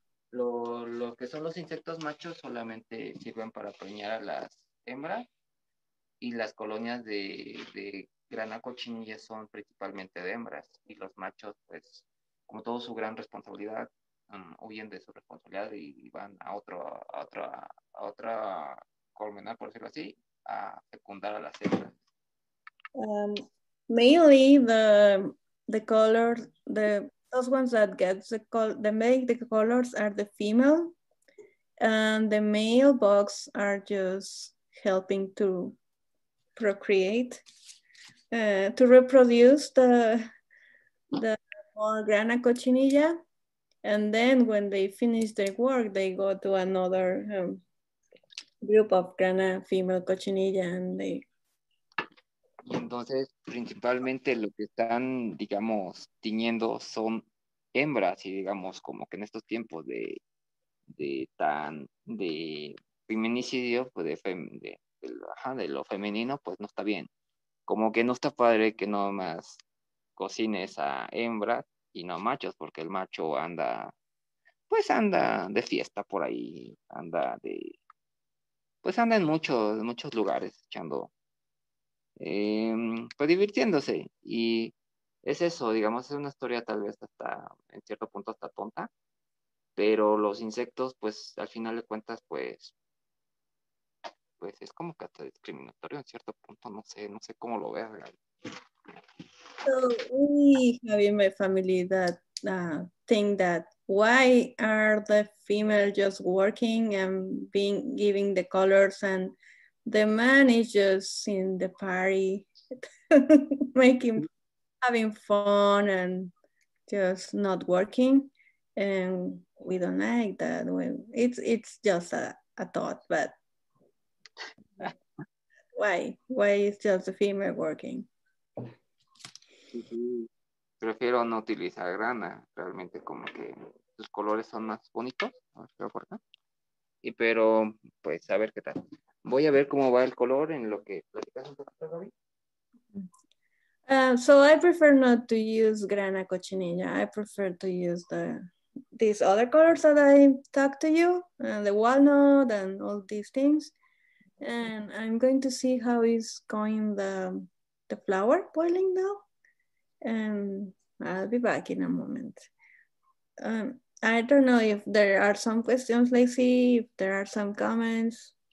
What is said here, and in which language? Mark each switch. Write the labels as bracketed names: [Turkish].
[Spanish] Lo que son los insectos machos solamente sirven para preñar a las hembras y las colonias de grana cochinilla son principalmente de hembras y los machos, pues, como toda su gran responsabilidad, huyen de su responsabilidad y van a otra colmenar, por decirlo así, a fecundar a las hembras. [English] Mainly the color, those ones that get the colors are the female, and the male bugs are just helping to procreate, to reproduce the more grana cochinilla, and then when they finish their work, they go to another group of grana female cochinilla, and they. [Spanish] Entonces, principalmente lo que están, digamos, tiñendo son hembras y digamos como que en estos tiempos de feminicidio, pues de lo femenino, pues no está bien. Como que no está padre que no más cocines a hembras y no a machos, porque el macho anda de fiesta por ahí, anda en muchos lugares echando. Pues divirtiéndose y es eso, digamos, es una historia tal vez hasta en cierto punto hasta tonta, pero los insectos pues al final de cuentas pues es como que hasta discriminatorio en cierto punto, no sé cómo lo veas. [English] So we have in my family that think that why are the female just working and being giving the colors and the man is just in the party, having fun and just not working, and we don't like that. It's just a thought, but why is just the female working? [Spanish] Prefiero no utilizar grana, realmente como que sus colores son más bonitos, y pero pues a ver qué tal. Voy a ver cómo va el color en lo que platicas un poquito, Gaby. [English] So I prefer not to use grana cochinilla. I prefer to use these other colors that I talked to you, the walnut and all these things. And I'm going to see how is going the flour boiling now. And I'll be back in a moment. I don't know if there are some questions, Lacey, if there are some comments.